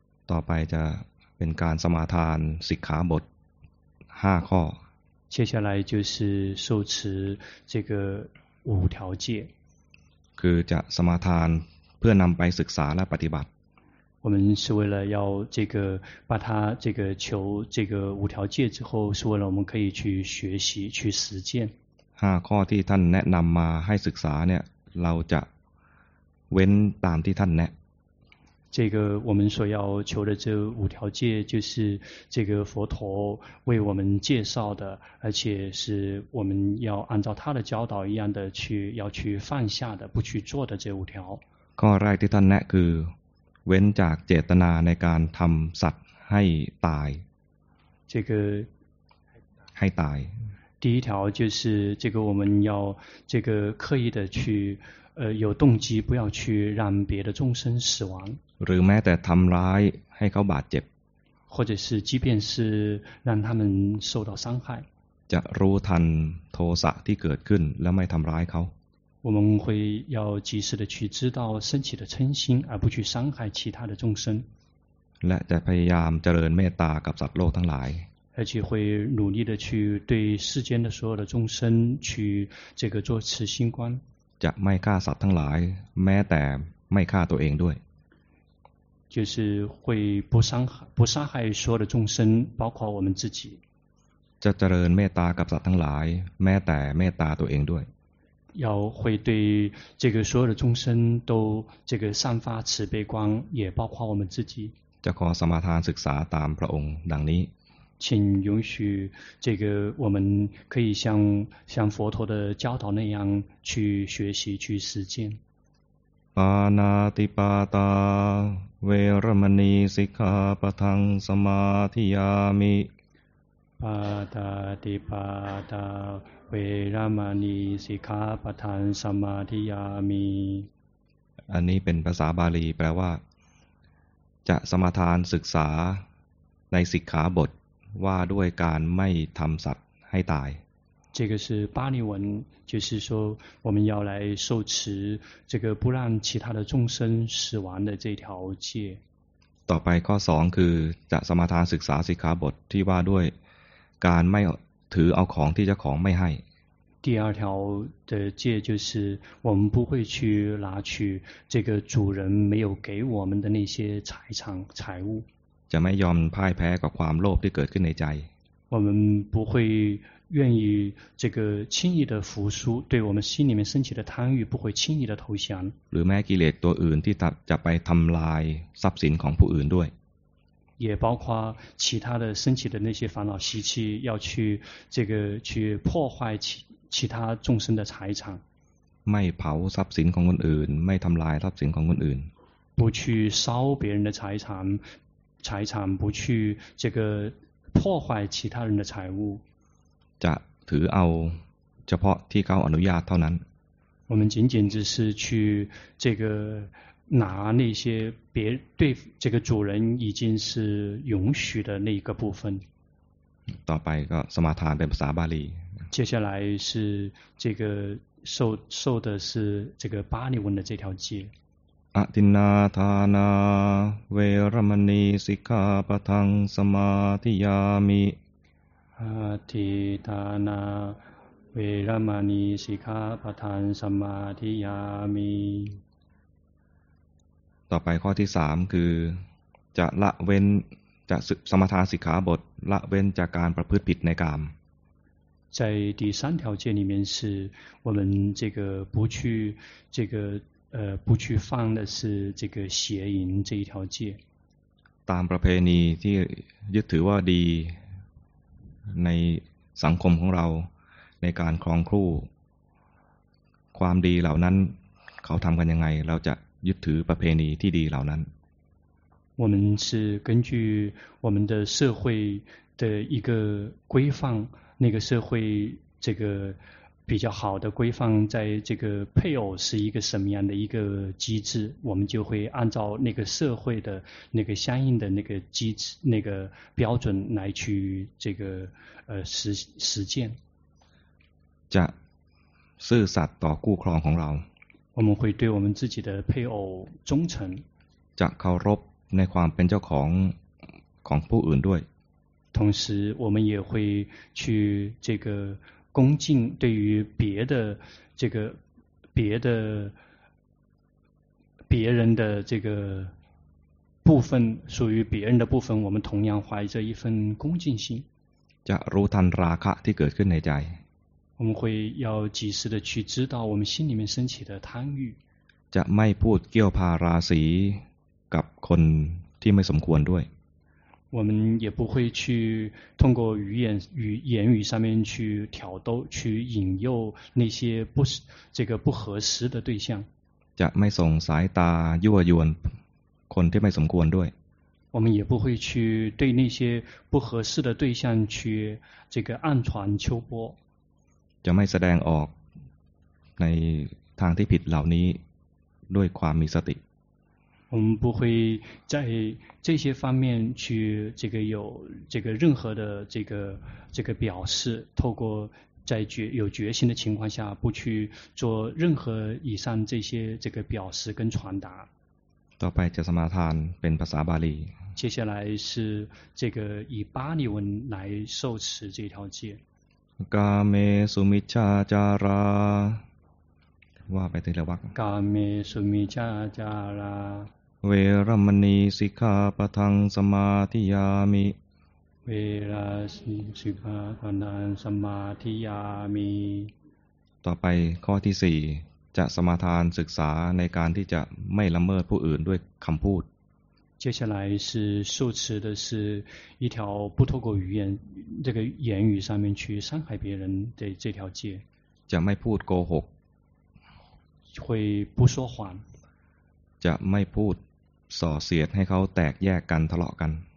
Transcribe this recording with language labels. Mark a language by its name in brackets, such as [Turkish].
[Thai] ต่อไปจะเป็นการสมาทานสิกขาบท5ข้อ [Chinese] 接下来就是受持这个五条戒 [Thai] คือจะสมาทานเพื่อนำไปศึกษาและปฏิบัติ [Chinese] 我们是为了要这个把它这个求这个五条戒之后是为了我们可以去学习去实践 [Thai] 5ข้อที่ท่านแนะนำมาให้ศึกษาเนี่ยเราจะเว้นตามที่ท่านแนะ [Chinese] 这个我们所要求的这五条戒，就是这个佛陀为我们介绍的，而且是我们要按照他的教导一样的去要去放下的，不去做的这五条。 [Thai] ข้อแรกที่ท่านแนะคือเว้นจากเจตนาในการทำสัตว์ให้ตาย。 [Chinese] 这个 [Thai] ให้ตาย。 [Chinese] 第一条就是这个我们要这个刻意的去。有动机不要去让别的众生死亡， [Thai] หรือแม้แต่ทำร้ายให้เขาบาดเจ็บ， [Chinese] 或者是即便是让他们受到伤害， [Thai] จะรู้ทันโทสะที่เกิดขึ้นแล้วไม่ทำร้ายเขา， [Chinese] 我们会要及时的去知道升起的嗔心，而不去伤害其他的众生， [Thai] และจะพยายามเจริญเมตตากับสัตว์โลกทั้งหลาย， [Chinese] 而且会努力的去对世间的所有的众生去这个做慈心观。 [Thai] จะไม่ฆ่าสัตว์ทั้งหลายแม้แต่ไม่ฆ่าตัวเองด้วย [Chinese] 就是会不伤害不杀害所有的众生包括我们自己 [Thai] จะเจริญเมตตากับสัตว์ทั้งหลายแม้แต่เมตตาตัวเองด้วย [Chinese] 要会对这个所有的众生都这个散发慈悲光也包括我们自己 [Thai] จะขอสมาทานศึกษาตามพระองค์ดังนี้ [Chinese] 请允许这个我们可以像佛陀的教导那样去学习去实践 [Pali] ปานาติปาตาเวรมณีสิกขาปะทังสมาธิยามิ ปาตาติปาตาเวรมณีสิกขาปะทังสมาธิยามิ [Thai] อันนี้เป็นภาษาบาลีแปลว่าจะสมาทานศึกษาในสิกขาบทว่าด้วยการไม่ทำสัตว์ให้ตาย [Chinese] 这个是巴利文就是说我们要来受持这个不让其他的众生死亡的这条戒 [Thai] ต่อไปข้อ2คือจะสมาทานศึกษาสิกขาบทที่ว่าด้วยการไม่ถือเอาของที่เจ้าของไม่ให้ [Chinese] 第二条的戒就是我们不会去拿取这个主人没有给我们的那些财产财物 [Thai] จะไม่ยอมพ่ายแพ้กับความโลภที่เกิดขึ้นในใจ [Chinese] 我们不会愿意这个轻易的服输对我们心里面升起的贪欲不会轻易的投降 [Thai] หรือแม้กิเลสตัวอื่นที่จะไปทำลายทรัพย์สินของผู้อื่นด้วย [Chinese] 也包括其他的升起的那些烦恼习气要去这个去破坏其他众生的财产 [Thai] ไม่เผาทรัพย์สินของคนอื่นไม่ทำลายทรัพย์สินของคนอื่น [Chinese] 不去烧别人的财产不去这个破坏其他人的财物 [Thai] จะถือเอาเฉพาะที่เขาอนุญาตเท่านั้น [Chinese] 我们仅仅只是去这个拿那些别对这个主人已经是允许的那一个部分 [Thai] ต่อไปก็สมาทานเป็นภาษาบาลี [Chinese] 接下来是这个受的是这个巴利文的这条戒 [Pali] อตินาทานาเวรมณีสิกขาปะทังสมาธิยามิ อตินาทาเวรมณีสิกขาปะทังสมาธิยามิ [Thai] ต่อไปข้อที่3คือจะละเว้นจะสมาทานสิกขาบทละเว้นจากการประพฤติผิดในกาม [Chinese] 在第三条戒里面是我们这个不去这个不去犯的是这个邪淫这一条戒。 [Thai] ตามประเพณีที่ยึดถือว่าดีในสังคมของเราในการครองครู่ความดีเหล่านั้นเขาทำกันยังไงเราจะยึดถือประเพณีที่ดีเหล่านั้น [Chinese] 我们是根据我们的社会的一个规范，那个社会这个。比较好的规范在这个配偶是一个什么样的一个机制我们就会按照那个社会的那个相应的那个机制那个标准来去这个实践 [Thai] จะซื่อสัตย์ต่อคู่ครองของเรา [Chinese] 我们会对我们自己的配偶忠诚 [Thai] จะเคารพในความเป็นเจ้าของของผู้อื่นด้วย [Chinese] 同时我们也会去这个恭敬对于别的这个别人的这个部分属于别人的部分我们同样怀着一份恭敬心 [Thai] จะรู้ทันราคะที่เกิดขึ้นในใจ [Chinese] 我们会要及时的去知道我们心里面升起的贪欲 [Thai] จะไม่พูดเกี่ยวพาราศี กับคนที่ไม่สมควรด้วย [Chinese] 我们也不会去通过语言与言语上面去挑逗去引诱那些不这个不合适的对象 [Thai] จะไม่ส่งสายตายั่วยวนคนที่ไม่สมควรด้วย [Chinese] 我们也不会去对那些不合适的对象去这个暗传秋波 [Thai] จะไม่แสดงออกในทางที่ผิดเหล่านี้ด้วยความมีสติ [Chinese] 我们不会在这些方面去这个有这个任何的这个表示透过在决有决心的情况下不去做任何以上这些这个表示跟传达 [Thai] ต่อไปจะสมาทานเป็นภาษาบาลี [Chinese] 接下来是这个以巴利文来受持这条戒 [Pali] กาเมสุมิชฌาจารา [Thai] ว่าไปทีละวรรค [Pali] กาเมสุมิชฌาจารา เวรมณีสิกขาปทังสมาธิยามิ เวราสิกขาปทังสมาธิยามิ [Thai] ต่อไปข้อที่4จะสมาทานศึกษาในการที่จะไม่ละเมิดผู้อื่นด้วยคำพูด [Chinese] 接下来是受持的是一条不透过语言这个言语上面去伤害别人的这条戒 [Thai] จะไม่พูดโกหก [Chinese] 会不说谎 [Thai] จะไม่พูดส่อเสียดให้เขาแตกแยกกันทะเลาะกัน